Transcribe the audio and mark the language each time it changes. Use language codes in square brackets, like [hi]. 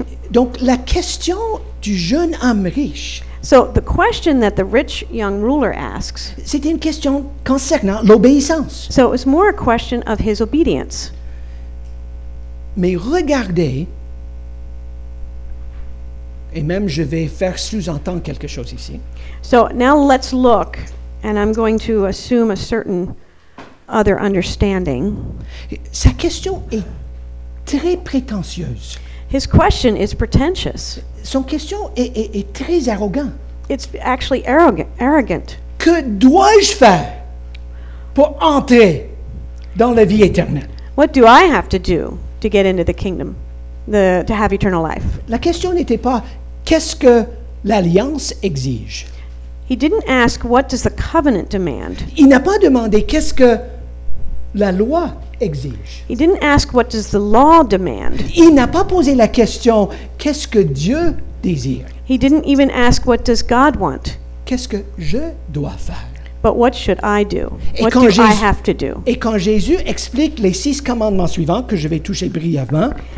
[fr] Donc, la question du jeune homme riche. [en] So the question that the rich young ruler asks. [fr] C'était une question concernant l'obéissance. [en] So it was more a question of his obedience. [fr] Mais regardez, et même je vais faire sous-entendre quelque chose ici. [en] So now let's look, and I'm going to assume a certain other understanding. [fr] Sa question est très prétentieuse. [en] His question is pretentious. [fr] Son question est très arrogant. [en] It's actually arrogant. [fr] Que dois-je faire pour entrer dans la vie éternelle? [en] What do I have to do to get into the kingdom, to have eternal life? [fr] La question n'était pas qu'est-ce que l'alliance exige. [en] He didn't ask what does the covenant demand. [fr] Il n'a pas demandé qu'est-ce que la loi exige. [en] He didn't ask what does the law demand. [fr] Il n'a pas posé la question qu'est-ce que Dieu désire. [en] He didn't even ask what does God want. [fr] Qu'est-ce que je dois faire? [en] But what should I do? I have to do? [fr] Et quand Jésus explique les six commandements suivants que je vais toucher brièvement.